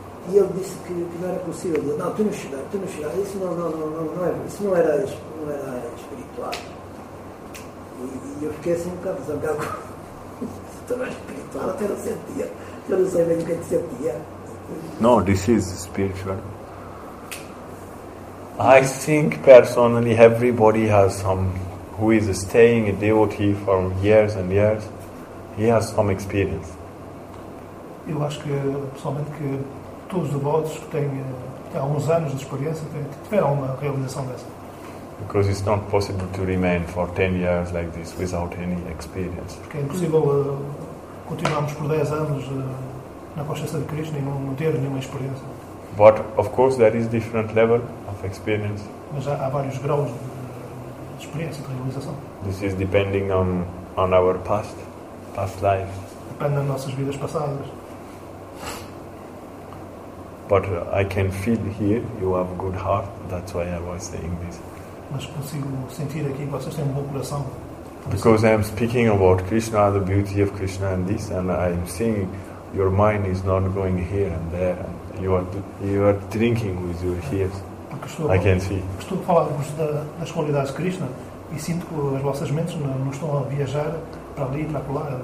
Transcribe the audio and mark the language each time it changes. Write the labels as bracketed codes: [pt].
[pt] E ele disse que não era possível. Ele disse, não, tu não chegar. Eu disse, não, isso não era espiritual. E eu fiquei assim um bocado zangado. Tu não é espiritual, até não sentia. Eu não sei bem o que é que sentia. [en] No, this is spiritual. I think personally everybody has some who is staying a devotee for years and years. He has some experience. [pt] Eu acho que pessoalmente que todos os devotos que têm há uns anos de experiência tiveram uma realização dessa. [en] Because it's not possible to remain for 10 years like this without any experience. [pt] Porque é impossível continuarmos por 10 anos na consciência de Krishna e não ter nenhuma experiência. [en] But of course there is different level of experience. [pt] Mas há vários graus de experiência de realização. [en] This is depending on our past life. [pt] Depende das nossas vidas passadas. [en] But I can feel here you have a good heart, that's why I was saying this. [pt] Mas consigo sentir aqui que vocês têm um bom coração. [en] Because I am speaking about Krishna, the beauty of Krishna and this, and I am seeing your mind is not going here and there, and you are drinking with your ears. I can see. [pt] Estou a falar-vos das qualidades de Krishna e sinto que as vossas mentes não estão a viajar para ali e para lá.